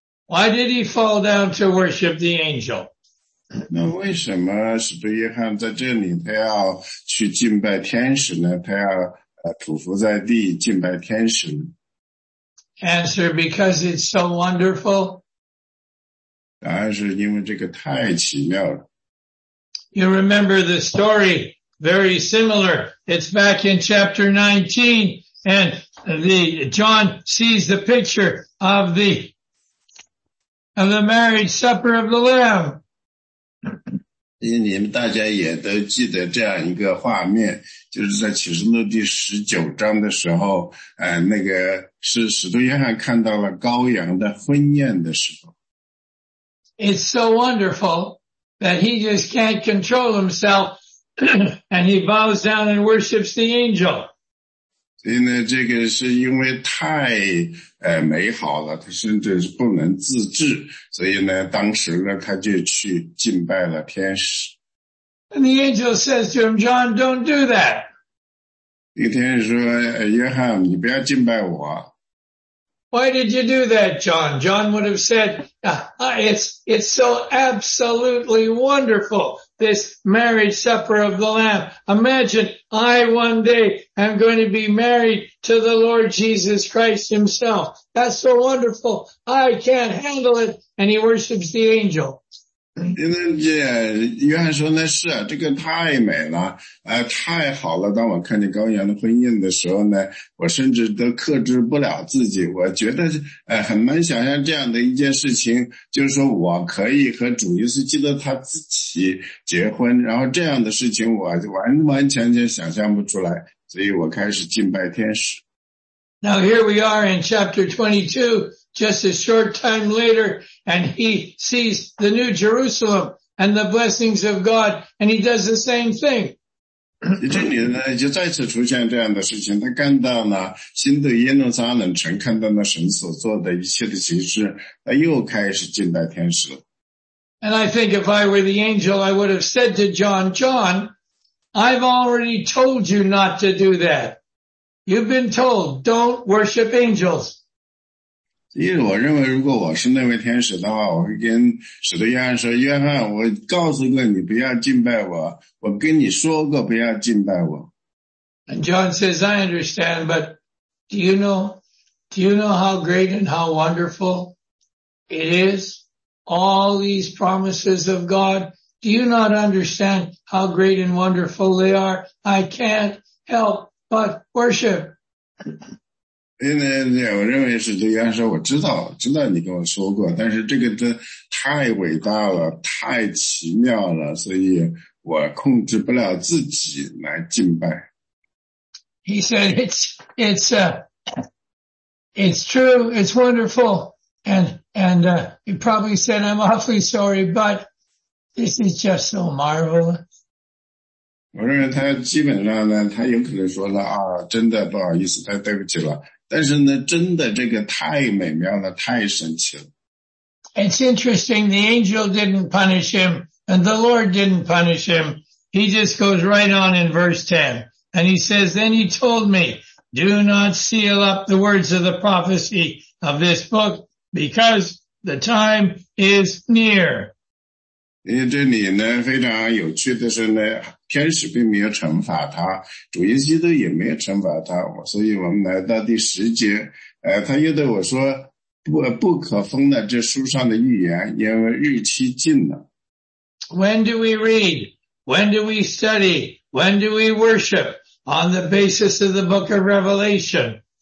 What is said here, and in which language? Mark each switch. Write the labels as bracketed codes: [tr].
[en] Why did he fall down to worship the angel? [zh] 那为什么使徒约翰在这里他要去敬拜天使呢？他要匍匐在地敬拜天使呢？ [en] Answer, because it's so wonderful. [zh] 答案是因为这个太奇妙了。 [en] You remember the story, very similar. It's back in chapter 19. And John sees the picture of the marriage supper of the Lamb. [zh] 你们大家也都记得这样一个画面，就是在启示录第十九章的时候，那个是使徒约翰看到了羔羊的婚宴的时候。 [en] It's so wonderful that he just can't control himself and he bows down and worships the angel. [zh] 因为这个是因为太美好了，他甚至是不能自制，所以呢当时呢他就去敬拜了天使。 [en] And the angel says to him, John, don't do that. [zh] 那个天使说约翰你不要敬拜我。 [en] Why did you do that, John? John would have said, it's so absolutely wonderful. This marriage supper of the Lamb. Imagine I one day am going to be married to the Lord Jesus Christ himself. That's so wonderful. I can't handle it. And he worships the angel. [zh] 约翰说那是啊，这个太美了，太好了。当我看见羔羊的婚宴的时候呢，我甚至都克制不了自己。我觉得很难想象这样的一件事情，就是说我可以和主耶稣基督他自己结婚，然后这样的事情我完完全全想象不出来，所以我开始敬拜天使。 [en] Now here we are in chapter 22, just a short time later, and he sees the new Jerusalem and the blessings of God, and he does the same thing. [zh] 这里呢就再次出现这样的事情，他看到了新的耶路撒冷城，看到了神所做的一切的奇事，他又开始敬拜天使了。 [en] And I think if I were the angel, I would have said to John, John, I've already told you not to do that. You've been told, don't worship angels. [zh] 因为我认为如果我是那位天使的话，我会跟使徒约翰说，约翰，我告诉过你不要敬拜我，我跟你说过不要敬拜我。 [en] And John says, I understand, but do you know how great and how wonderful it is? All these promises of God, do you not understand how great and wonderful they are? I can't help. But worship. [zh] 因为我认为是这样说，我知道你跟我说过，但是这个真太伟大了，太奇妙了，所以我控制不了自己来敬拜。 [en] He said, it's true, it's wonderful, and he probably said, I'm awfully sorry, but this is just so marvelous. [zh] 我认为他基本上呢，他有可能说了啊，真的不好意思，太对不起了。但是呢，真的这个太美妙了，太神奇了。 [en] It's interesting. The angel didn't punish him, and the Lord didn't punish him. He just goes right on in verse 10, and he says, "Then he told me, 'Do not seal up the words of the prophecy of this book because the time is near. [zh] 这里呢，非常有趣的是呢，天使并没有惩罚他，主耶稣也没有惩罚他，所以我们来到第十节，他又对我说，不可封了这书上的预言，因为日期近了。 [en] When do we read? When do we study? When do we worship on the basis of the book of Revelation?